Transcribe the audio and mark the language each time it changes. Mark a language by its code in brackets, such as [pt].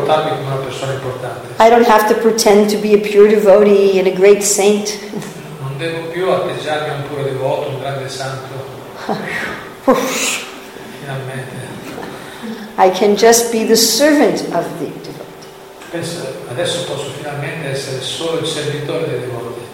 [en] I don't have to pretend to be a pure devotee and a great saint. [it] Non devo più atteggiarmi a un puro devoto, un grande santo. Finalmente. [en] I can just be the servant of the devotee. [it] Adesso posso finalmente essere solo il servitore dei devoti.